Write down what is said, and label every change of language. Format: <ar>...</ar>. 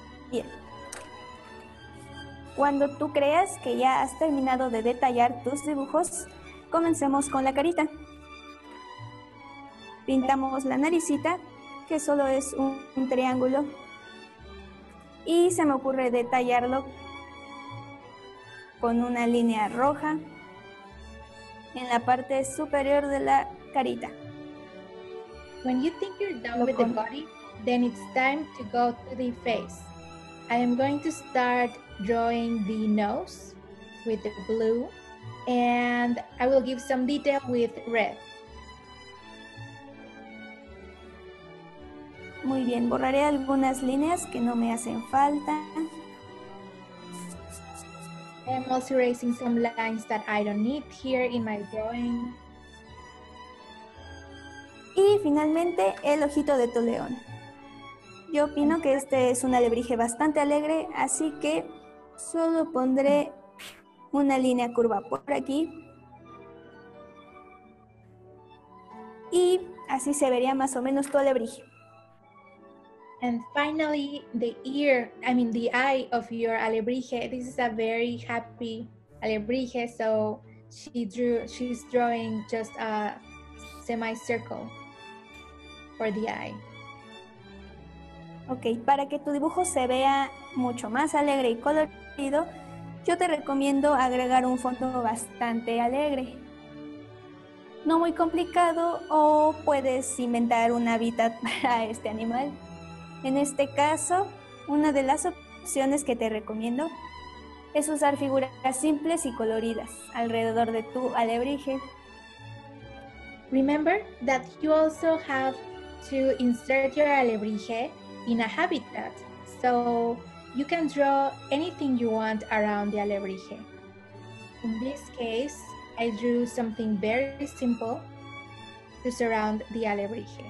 <es>Bien. Cuando tú creas que ya has terminado de detallar tus dibujos, comencemos con la carita. Pintamos la naricita, que solo es un triángulo, y se me ocurre detallarlo con una línea roja en la parte superior de la carita.</es> <en>When you think you're done with the body, then it's time to go to the face. I am going to start drawing the nose with the blue, and I will give some detail with red.</en> <es>Muy bien, borraré algunas líneas que no me hacen falta.</es> <en>I'm also erasing some lines that I don't need here in my drawing.</en> <es>Y finalmente, el ojito de tu león. Yo opino que este es un alebrije bastante alegre, así que solo pondré una línea curva por aquí. Y así se vería más o menos tu alebrije.</es> <en>And finally, the eye of your alebrije. This is a very happy alebrije, so she's drawing just a semicircle for the eye.</en> <es>Okay, para que tu dibujo se vea mucho más alegre y colorido, yo te recomiendo agregar un fondo bastante alegre. No muy complicado, o puedes inventar un hábitat para este animal. En este caso, una de las opciones que te recomiendo es usar figuras simples y coloridas alrededor de tu alebrije.</es> <en>Remember that you also have to insert your alebrije in a habitat, so you can draw anything you want around the alebrije. In this case, I drew something very simple to surround the alebrije.</en>